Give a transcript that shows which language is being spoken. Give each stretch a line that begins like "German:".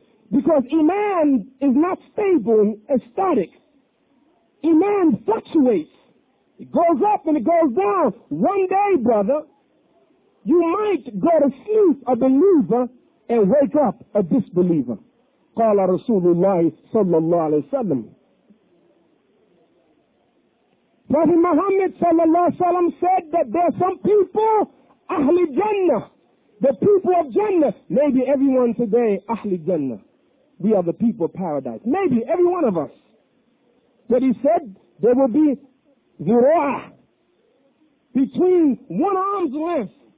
English: Because iman is not stable and static. Iman fluctuates. It goes up and it goes down. One day, brother, you might go to sleep a believer and wake up a disbeliever.
Arabic: قال رسول الله صلى الله عليه وسلم.
English: Prophet Muhammad
Arabic: صلى الله عليه وسلم
English: said that there are some people, Ahli Jannah, the people of Jannah. Maybe everyone today, Ahli Jannah. We are the people of paradise. Maybe every one of us. But he said there will be ذُرَاعٌ between one arm's length.